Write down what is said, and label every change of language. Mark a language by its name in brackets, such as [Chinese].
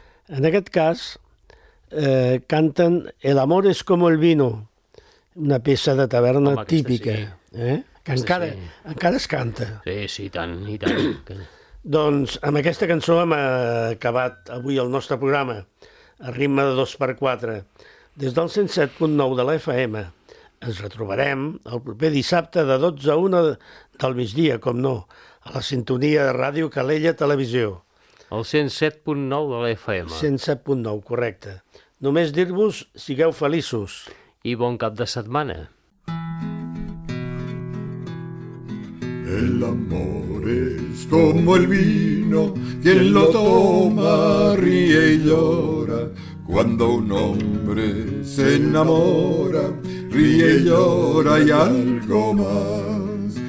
[Catalan] En aquest cas, canten El amor es como el vino, una peça de taverna. Home, típica. Sí. Que encara, sí, encara es canta. Sí, sí, tant, i tant. Doncs amb aquesta cançó hem acabat avui el nostre programa, a ritme de 2x4, des del 107.9 de la FM. Ens retrobarem el proper dissabte de 12 a 1 del migdia, com no, a la sintonia de Ràdio Calella Televisió. El 107.9 de l'FM. 107.9, correcte. Només dir-vos, sigueu feliços. I bon cap de setmana. [Spanish] El amor es como el vino, quien lo toma ríe y llora. Cuando un hombre se enamora, ríe y llora y algo más.